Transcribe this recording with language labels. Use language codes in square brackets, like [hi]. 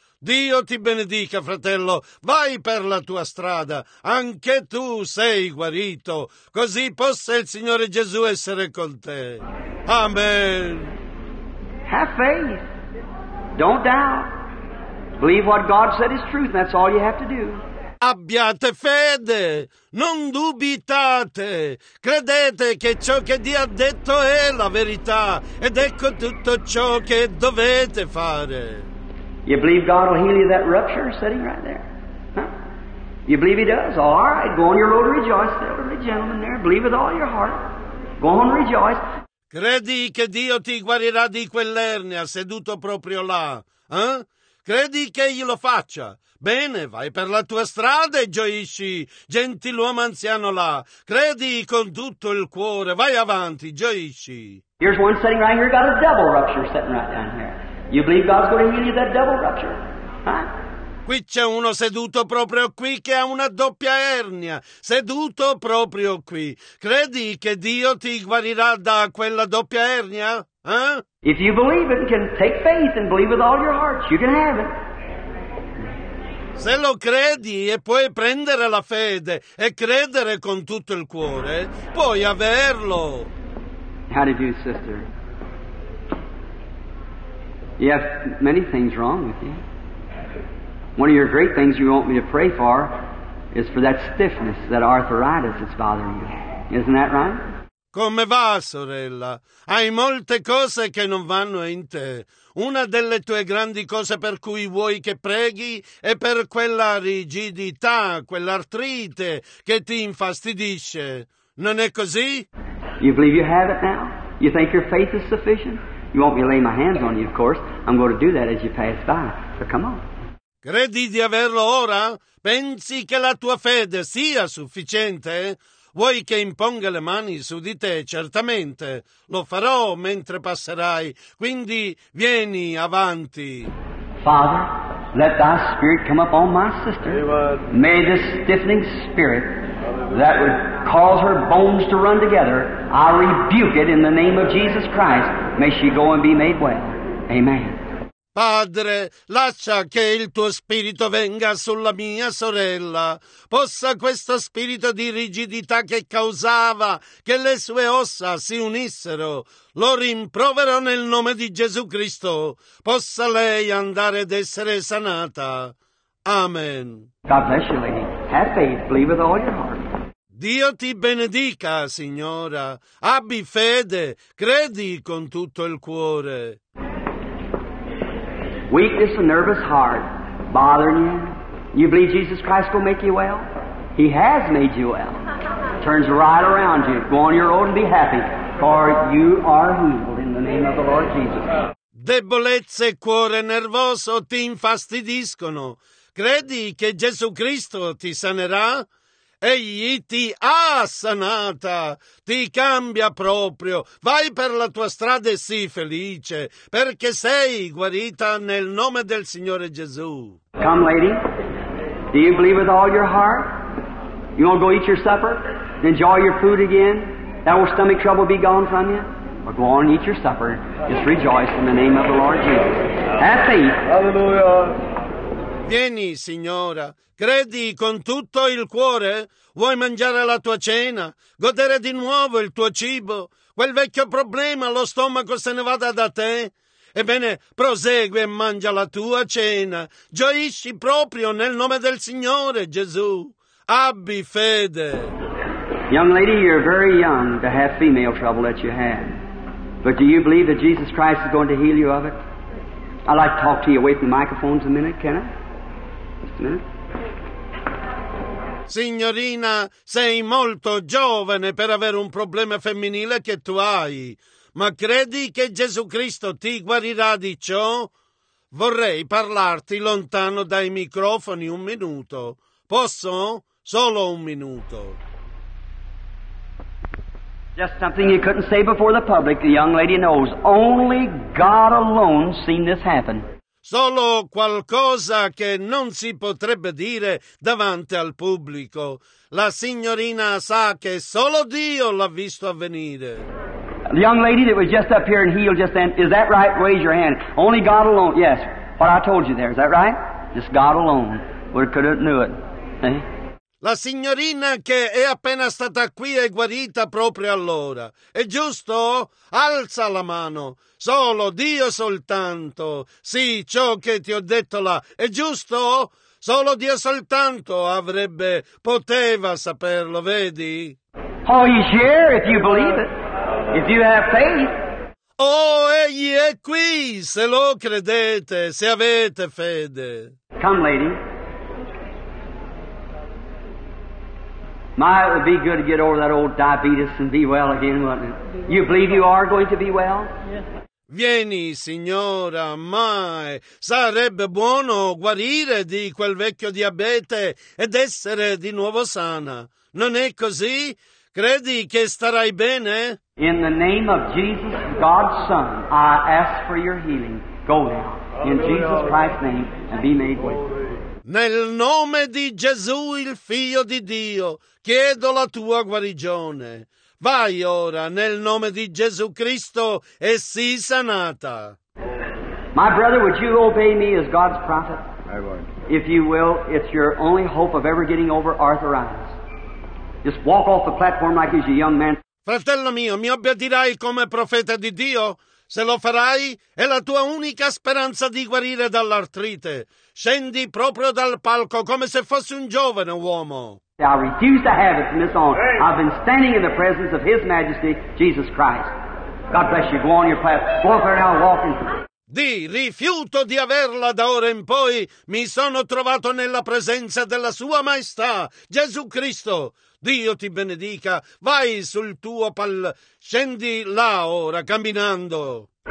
[it] Dio ti benedica, fratello. Vai per la tua strada. Anche tu sei guarito. Così possa il Signore Gesù essere con te. Amen. [en] Have faith. Don't doubt. Believe what God said is truth. That's all you have to do. [it] abbiate fede, non dubitate, credete che ciò che Dio ha detto è la verità, ed ecco tutto ciò che dovete fare. [en] You believe God will heal you that rupture sitting right there? Huh? You believe he does? All right, go on your road and rejoice, the elderly gentleman there. Believe with all your heart. Go on and rejoice. [it] Credi che Dio ti guarirà di quell'ernia seduto proprio là? Eh? Credi che egli lo faccia? Bene, vai per la tua strada e gioisci, gentiluomo anziano là. Credi con tutto il cuore, vai avanti, gioisci. [en] Here's one sitting right here, got a double rupture sitting right down here. You believe God's going to heal you that double rupture? Huh? [it] Qui c'è uno seduto proprio qui che ha una doppia ernia, seduto proprio qui. Credi che Dio ti guarirà da quella doppia ernia? Huh? [en] If you believe it and can take faith and believe with all your heart, you can have it. [it] Se lo credi e puoi prendere la fede e credere con tutto il cuore, puoi averlo. [en] How do you do, sister? You have many things wrong with you. One of your great things you want me to pray for is for that stiffness, that arthritis that's bothering you. Isn't that right? [it] Come va, sorella? Hai molte cose che non vanno in te. Una delle tue grandi cose per cui vuoi che preghi è per quella rigidità, quell'artrite che ti infastidisce. Non è così? [en] You believe you have it now? You think your faith is sufficient? You want me to lay my hands on you, of course. I'm going to do that as you pass by. But come on. [it] Credi di averlo ora? Pensi che la tua fede sia sufficiente? Vuoi che imponga le mani su di te? Certamente. Lo farò mentre passerai. Quindi vieni avanti. [en] Father, let thy spirit come upon my sister. May the stiffening spirit that would cause her bones to run together, I rebuke it in the name of Jesus Christ. May she go and be made well. Amen. [it] Padre, lascia che il tuo spirito venga sulla mia sorella. Possa questo spirito di rigidità che causava che le sue ossa si unissero, lo rimprovero nel nome di Gesù Cristo. Possa lei andare ed essere sanata. Amen. [en] God bless you, lady. Have faith, believe with all your heart. [it] Dio ti benedica, signora. Abbi fede, credi con tutto il cuore. [en] Weakness and nervous heart bothering you? You believe Jesus Christ will make you well? He has made you well. Turns right around you. Go on your road and be happy, for you are healed in the name of the Lord Jesus. [it] Debolezze, cuore nervoso ti infastidiscono. Credi che Gesù Cristo ti sanerà? Egli ti ha sanata, ti cambia proprio. Vai per la tua strada e sii felice, perché sei guarita nel nome del Signore Gesù. [en] Come, lady. Do you believe with all your heart? You want to go eat your supper? Enjoy your food again? That will stomach trouble be gone from you? Or go on and eat your supper. Just rejoice in the name of the Lord Jesus. Have faith. Hallelujah. [it] Vieni, signora, credi con tutto il cuore? Vuoi mangiare la tua cena? Godere di nuovo il tuo cibo? Quel vecchio problema, lo stomaco se ne vada da te? Ebbene, prosegui e mangia la tua cena. Gioisci proprio nel nome del Signore Gesù. Abbi fede. [en] Young lady, you're very young to have female trouble that you have. But do you believe that Jesus Christ is going to heal you of it? I'd like to talk to you away from the microphones a minute, can I? [it] Signorina, sei molto giovane per avere un problema femminile che tu hai, ma credi che Gesù Cristo ti guarirà di ciò? Vorrei parlarti lontano dai microfoni un minuto. Posso? Solo un minuto. [en] Just something you couldn't say before the public, the young lady knows. Only God alone seen this happen. [it] Solo qualcosa che non si potrebbe dire davanti al pubblico. La signorina sa che solo Dio l'ha visto avvenire. [en] The young lady that was just up here and healed just then, is that right? Raise your hand. Only God alone. Yes. What I told you there, is that right? Just God alone. We couldn't do it. [it] La signorina che è appena stata qui è guarita proprio allora. È giusto? Alza la mano. Solo Dio soltanto. Sì, ciò che ti ho detto là. È giusto? Solo Dio soltanto avrebbe, poteva saperlo, vedi? [en] Oh, he's here if you believe it, if you have faith. [it] Oh, egli è qui, se lo credete, se avete fede. [en] Come, lady. My, it would be good to get over that old diabetes and be well again, wouldn't it? You believe you are going to be well? Yes. [it] Vieni, signora, mai. Sarebbe buono guarire di quel vecchio diabete ed essere di nuovo sana. Non è così? Credi che starai bene? [en] In the name of Jesus, God's Son, I ask for your healing. Go now. In Jesus Christ's name, and be made well. [it] Nel nome di Gesù, il Figlio di Dio, chiedo la tua guarigione. Vai ora nel nome di Gesù Cristo e sii sanata. [en] My brother, would you obey me as God's prophet? I would. If you will, it's your only hope of ever getting over arthritis. Just walk off the platform like he's a young man. [it] Fratello mio, mi obbedirai come profeta di Dio? Se lo farai, è la tua unica speranza di guarire dall'artrite. Scendi proprio dal palco come se fossi un giovane uomo. [en] I refuse to have it from this on. I've been standing in the presence of His Majesty, Jesus Christ. God bless you. Go on your path. Walk around now, walking. [it] Di rifiuto di averla da ora in poi, mi sono trovato nella presenza della Sua Maestà, Gesù Cristo. Dio ti benedica. Vai sul tuo scendi là ora, camminando.